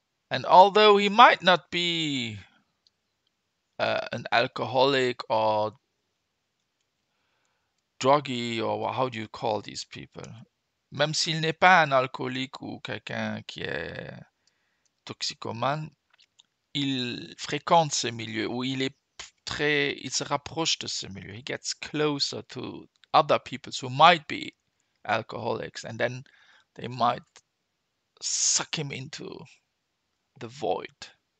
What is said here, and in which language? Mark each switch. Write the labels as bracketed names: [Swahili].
[English] And although he might not be an alcoholic or druggy or how do you call these people? [French] Même s'il n'est pas un alcoolique ou quelqu'un qui est toxicomane, il fréquente ce milieu ou il est très, il se rapproche de ce milieu. [English] He gets closer to other people who might be alcoholics and then they might suck him into the void.